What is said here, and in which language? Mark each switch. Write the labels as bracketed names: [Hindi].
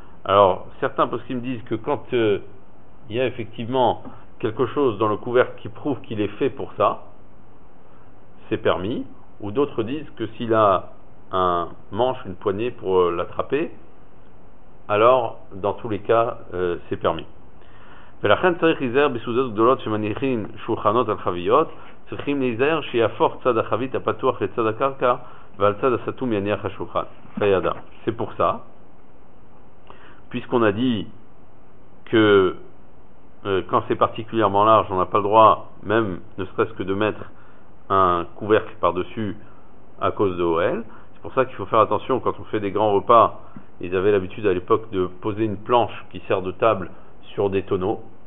[French] Alors certains parce qu'ils me disent que quand il y a effectivement quelque chose dans le couvercle qui prouve qu'il est fait pour ça, c'est permis. Ou d'autres disent que s'il a un manche, une poignée pour l'attraper, alors dans tous les cas c'est permis. [Hebrew] ולכן צריך להיזהר בסעודות גדולות שמניחים שולחנות על חביות, צריכים להיזהר שיהפוך צד החבית הפתוח לצד הקרקע ועל צד הסתום יניח השולחן. חיידה. [French] C'est pour ça. Puisqu'on a dit que quand c'est particulièrement large, on n'a pas le droit, même ne serait-ce que de mettre un couvercle par-dessus à cause de OL. C'est pour ça qu'il faut faire attention quand on fait des grands repas. Ils avaient l'habitude à l'époque de poser une planche qui sert de table sur des tonneaux.